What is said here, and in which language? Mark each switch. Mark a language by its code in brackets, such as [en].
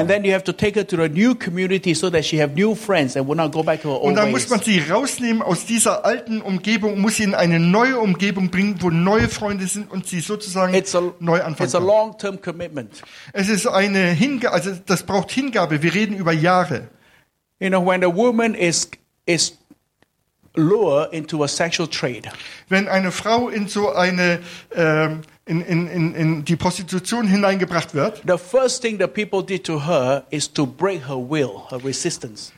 [en] And then you have to take her to a new community so that she have new friends and will not go back to her old ways. [de] Und dann muss man sie rausnehmen aus dieser alten Umgebung, muss sie in eine neue Umgebung bringen, wo neue Freunde sind und sie sozusagen neu anfangen. [en] It's a long-term commitment. [de] Es ist eine Hingabe, also das braucht Hingabe. Wir reden über Jahre. [en] You know, when a woman is lure into a sexual trade. [de] Wenn eine Frau in so eine in die Prostitution hineingebracht wird. [en] The first thing the people did to her is to break her will, her resistance.